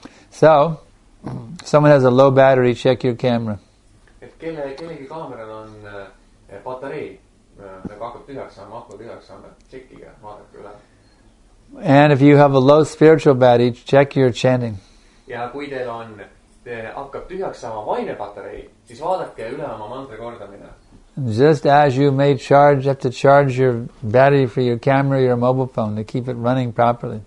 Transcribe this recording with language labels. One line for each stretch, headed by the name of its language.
English: So, someone has a low battery, check your camera.
Estonian: Et kellegi kaameral on patarei, nagu hakkab tühjaks saama, tšekkige, vaadake üle.
English: And if you have a low spiritual battery, check your chanting.
Estonian: Ja kui teil on, te hakkab tühjaks saama vaine patarei, siis vaadake üle oma mantra kordamine.
English: Just as you may charge, you have to charge your battery for your camera, your mobile phone to keep it running properly.